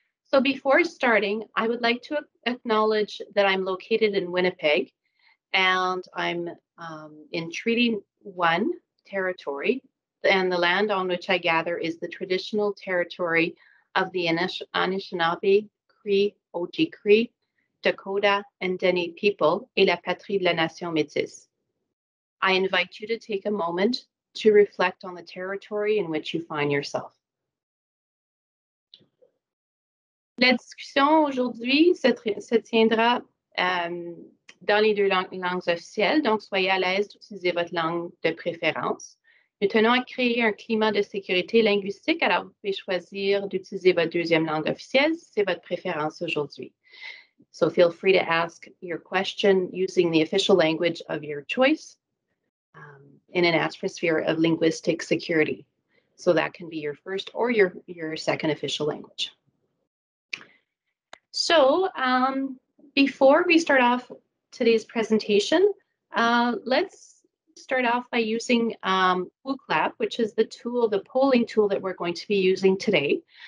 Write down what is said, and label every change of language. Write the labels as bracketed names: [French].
[English] So before starting, I would like to acknowledge that I'm located in Winnipeg and I'm in Treaty One territory, and the land on which I gather is the traditional territory of the Anishinaabe, Cree, Oji-Cree, Dakota, and Dene people, [French] et la patrie de la nation métisse. [English] I invite you to take a moment to reflect on the territory in which you find yourself. [French] La discussion aujourd'hui se tiendra dans les deux langues officielles, donc soyez à l'aise d'utiliser votre langue de préférence. Nous tenons à créer un climat de sécurité linguistique, alors vous pouvez choisir d'utiliser votre deuxième langue officielle si c'est votre préférence aujourd'hui. [English] So feel free to ask your question using the official language of your choice in an atmosphere of linguistic security. So that can be your first or your second official language. So before we start off today's presentation, let's start off by using WhoClap, which is the tool, the polling tool that we're going to be using today.